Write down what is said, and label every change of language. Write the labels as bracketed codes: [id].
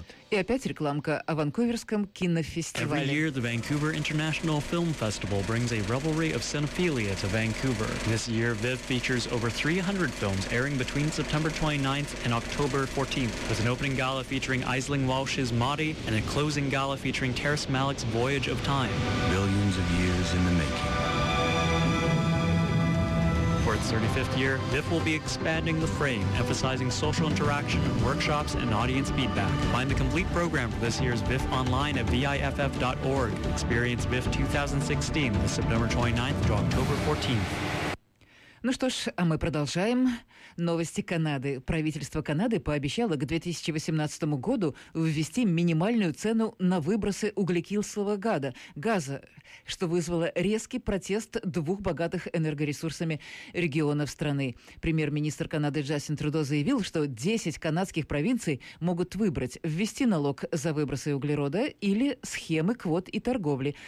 [ru] И опять рекламка о Ванкуверском кинофестивале. [en] Every year the Vancouver International Film Festival brings a revelry of cinephilia to Vancouver. This year VIF features over 300 films airing between September 29th and October 14th, with an opening gala featuring Isling Walsh's Mahdi and a closing gala featuring Terrence Malick's Voyage of Time. Billions of years in the making. For its 35th year, VIF will be expanding the frame, emphasizing social interaction, workshops, and audience feedback. Find the complete program for this year's VIF online at viff.org. Experience VIF 2016 from September 29th to October 14th. [ru] Ну что ж, а мы продолжаем. Новости Канады. Правительство Канады пообещало к 2018 году ввести минимальную цену на выбросы углекислого газа, что вызвало резкий протест двух богатых энергоресурсами регионов страны. Премьер-министр Канады Джастин Трюдо заявил, что 10 канадских провинций могут выбрать ввести налог за выбросы углерода или схемы квот и торговли.